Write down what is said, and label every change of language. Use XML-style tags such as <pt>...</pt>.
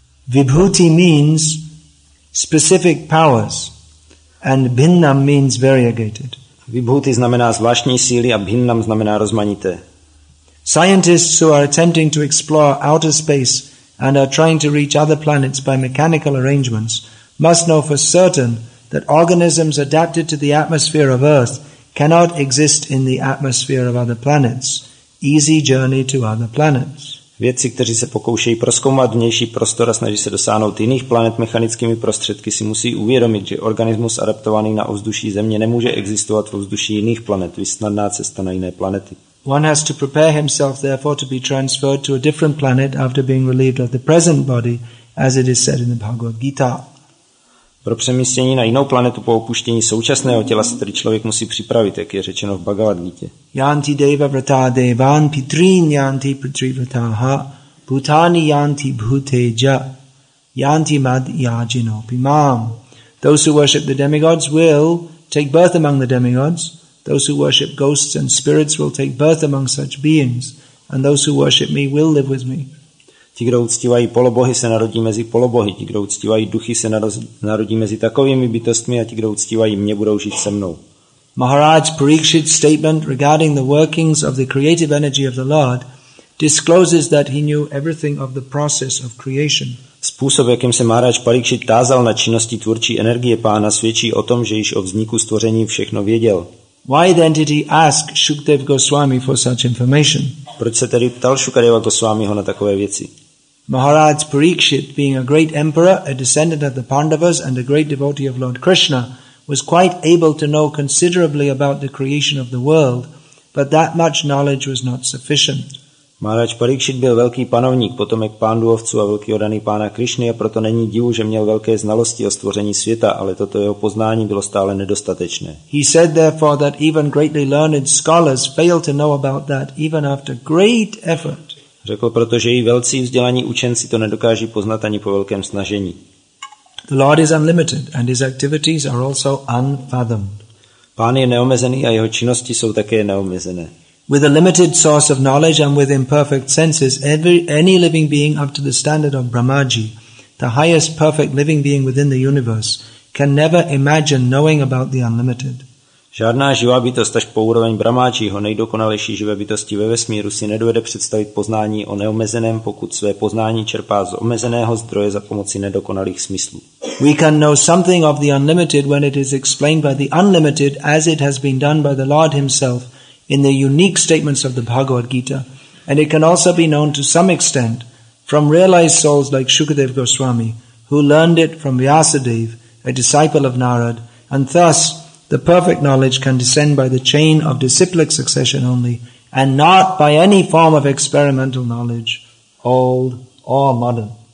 <en>Vibhuti means specific powers and Bhinnam means variegated.</en> <cs>Vibhuti znamená zvláštní síly a Bhinnam znamená rozmanité.</cs> <en>Scientists who are attempting to explore outer space and are trying to reach other planets by mechanical arrangements must know for certain that organisms adapted to the atmosphere of Earth cannot exist in the atmosphere of other planets. Easy journey to other planets.</en> <cs>Vědci, kteří se pokoušejí prozkoumat vnější prostor a snaží se dosáhnout jiných planet mechanickými prostředky, si musí uvědomit, že organismus adaptovaný na ovzduší Země nemůže existovat v ovzduší jiných planet, viz snadná cesta na jiné planety.</cs> <en>One has to prepare himself therefore to be transferred to a different planet after being relieved of the present body, as it is said in the Bhagavad Gita.</en> <cs>Pro přemístění na jinou planetu po opuštění současného těla se tedy člověk musí připravit, jak je řečeno v Bhagavad Gítě.</cs> <sa>Yanti deva vrata devan pitrin yanti pitri vrataha bhutani yanti bhuteja yanti mad yajino pimam.</sa> <en>Those who worship the demigods will take birth among the demigods. Those who worship ghosts and spirits will take birth among such beings. And those who worship me will live with me.</en> <cs>Ti, kdo uctívají polobohy, se narodí mezi polobohy. Ti, kdo uctívají duchy, se narodí mezi takovými bytostmi a ti, kdo uctívají mě, budou žít se mnou.</cs> <en>Maharaj Parikshit's statement regarding the workings of the creative energy of the Lord discloses that he knew everything of the process of creation.</en> <cs>Způsob, jakým se Maharaj Parikshit tázal na činnosti tvůrčí energie pána, svědčí o tom, že již o vzniku stvoření všechno věděl.</cs> <en>Why then did he ask Shukdev Goswami for such information?</en> <cs>Proč se tedy ptal Shukadeva Goswamiho na takové věci?</cs> <en>Maharaj Parikshit, being a great emperor, a descendant of the Pandavas and a great devotee of Lord Krishna, was quite able to know considerably about the creation of the world, but that much knowledge was not sufficient.</en> <cs>Maharaj Parikshit byl velký panovník, potomek Pánduovců a velký oddaný pána Krišny, a proto není divu, že měl velké znalosti o stvoření světa, ale toto jeho poznání bylo stále nedostatečné.</cs> <en>He said therefore that even greatly learned scholars fail to know about that even after great effort.</en> <cs>Řekl proto, že i velcí vzdělaní učenci to nedokáží poznat ani po velkém snažení.</cs> <en>The Lord is unlimited and his activities are also unfathomed.</en> <cs>Pán je neomezený a jeho činnosti jsou také neomezené.</cs> <en>With a limited source of knowledge and with imperfect senses, any living being up to the standard of Brahmaji, the highest perfect living being within the universe, can never imagine knowing about the unlimited.</en> <cs>Žádná živá bytost až po úroveň Brahmajiho, nejdokonalejší živé bytosti ve vesmíru, si nedovede představit poznání o neomezeném, pokud své poznání čerpá z omezeného zdroje za pomoci nedokonalých smyslů.</cs> <en>We can know something of the unlimited when it is explained by the unlimited as it has been done by the Lord himself in the unique statements of the Bhagavad Gita, and it can also be known to some extent from realized souls like Shukadev Goswami, who learned it from Vyasadev, a disciple of Narad, and thus the perfect knowledge can descend by the chain of disciplic succession only, and not by any form of experimental knowledge, old or modern.</en>